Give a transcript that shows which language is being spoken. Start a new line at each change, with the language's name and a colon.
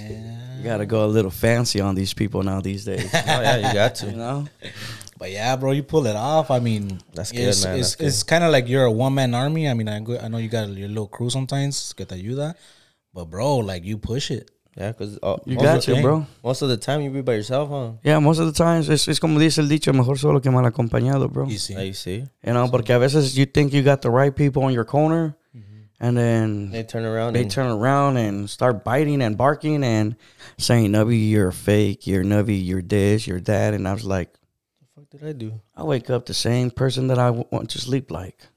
English: You got to go a little fancy on these people now these days. Oh, yeah, you got to. You know? But yeah, bro, you pull it off. I mean, that's good, man. It's kind of like you're a one man army. I mean, I know you got your little crew sometimes. Get to you that. But, bro, like, you push it. Yeah, because you got you, bro. Most of the time, you be by yourself, huh? Yeah, most of the times, it's
Spanish: como dice el dicho, mejor solo que mal acompañado, bro.
English: You see. You know,
Spanish: porque a veces
English: you think you got the right people on your corner, and then they turn around and start biting and barking and saying, Nubby, you're fake, you're Nubby, you're this, you're that. And I was like, what the fuck did I do? I wake up the same person that I want to sleep like.